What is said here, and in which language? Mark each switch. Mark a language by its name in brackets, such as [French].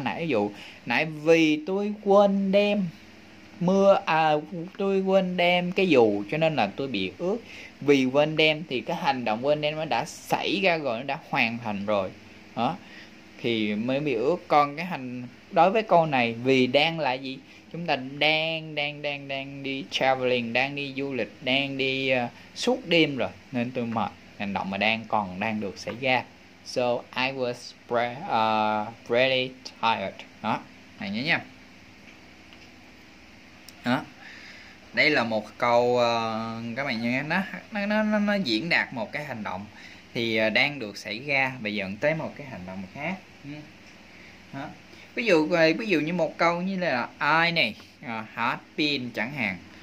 [Vietnamese] Nãy ví dụ nãy vì tôi quên đem mưa à tôi quên đem cái dù cho nên là tôi bị ướt, vì quên đem thì cái hành động quên đem nó đã xảy ra rồi, nó đã hoàn thành rồi đó thì mới bị ướt. Còn cái hành đối với câu này vì đang là gì, chúng ta đang đang đang đang đi traveling, đang đi du lịch, đang đi suốt đêm rồi nên tôi mệt, hành động mà đang còn đang được xảy ra. [English] So I was really tired đó, [Vietnamese] này nhớ nha. Đó. Đây là một câu các bạn nhớ, nó diễn đạt một cái hành động thì đang được xảy ra và dẫn tới một cái hành động khác. Đó. Ví dụ như một câu như là I này, had been chẳng hạn.